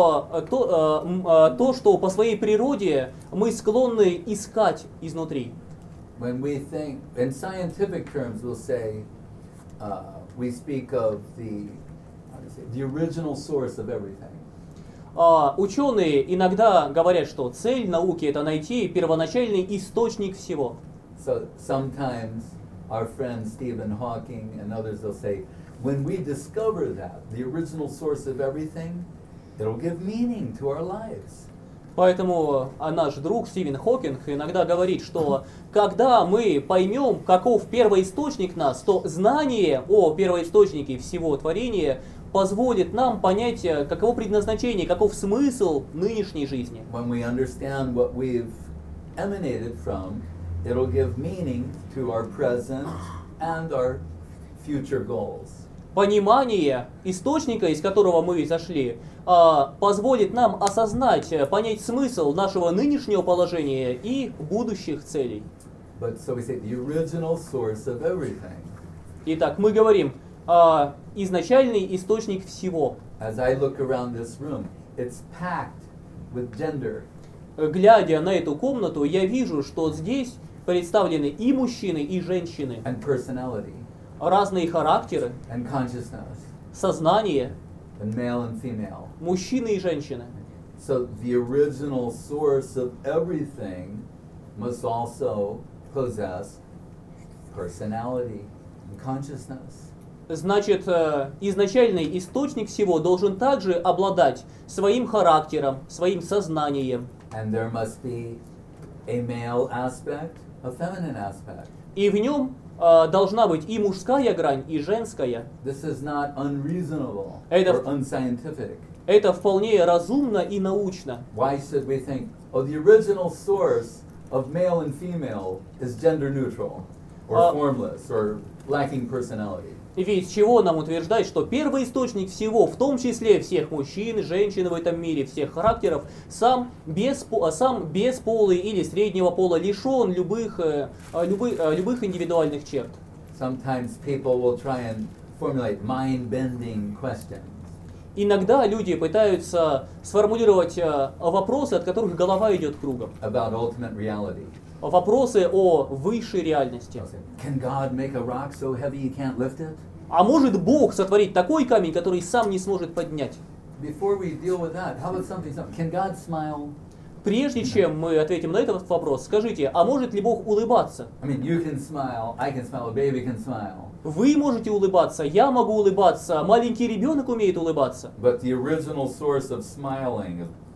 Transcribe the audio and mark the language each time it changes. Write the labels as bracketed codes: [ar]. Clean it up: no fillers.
[ru] то, что по своей природе мы склонны искать изнутри. [en] When we think, in scientific terms, we'll say, we speak of the original source of everything. [ru] Ученые иногда говорят, что цель науки — это найти первоначальный источник всего. [en] So sometimes our friend Stephen Hawking and others will say, when we discover that, the original source of everything, it'll give meaning to our lives. [ru] Поэтому наш друг Стивен Хокинг иногда говорит, что когда мы поймем, каков первоисточник нас, то знание о первоисточнике всего творения позволит нам понять, каково предназначение, каков смысл нынешней жизни. [en] When we understand what we've emanated from, it'll give meaning to our present and our future goals. [ru] Понимание источника, из которого мы зашли, позволит нам осознать, понять смысл нашего нынешнего положения и будущих целей. [en] But, so we say, the original source of everything. [ru] Итак, мы говорим, изначальный источник всего. [en] As I look around this room, it's packed with gender. [ru] Глядя на эту комнату, я вижу, что здесь представлены и мужчины, и женщины. [en] And personality. [ru] Разные характеры, [en] and consciousness, [ru] сознание, [en] and male and female. [ru] Мужчины и женщины. [en] So the original source of everything must also possess personality and consciousness. [ru] Значит, изначальный источник всего должен также обладать своим характером, своим сознанием. [en] And there must be a male aspect, a feminine aspect. [ru] И в нем должна быть и мужская грань, и женская. [en] This is not unreasonable or unscientific. [ru] Это вполне разумно и научно. [en] Why should we think, oh, the original source of male and female is gender neutral, or formless, or lacking personality? [ru] Ведь чего нам утверждать, что первый источник всего, в том числе всех мужчин, женщин в этом мире, всех характеров, сам без пола или среднего пола, лишен любых индивидуальных черт. [en] Sometimes people will try and formulate mind-bending questions. [ru] Иногда люди пытаются сформулировать вопросы, от которых голова идет кругом. [en] About ultimate reality. [ru] Вопросы о высшей реальности. [en] Can God make a rock so heavy you can't lift it? [ru] А может Бог сотворить такой камень, который сам не сможет поднять? [en] Before we deal with that, how about something? Can God smile? [ru] Прежде чем мы ответим на этот вопрос, скажите, а может ли Бог улыбаться? [en] I mean, you can smile, I can smile, a baby can smile. [ru] Вы можете улыбаться, я могу улыбаться, маленький ребенок умеет улыбаться. [en] But the original source of smiling is...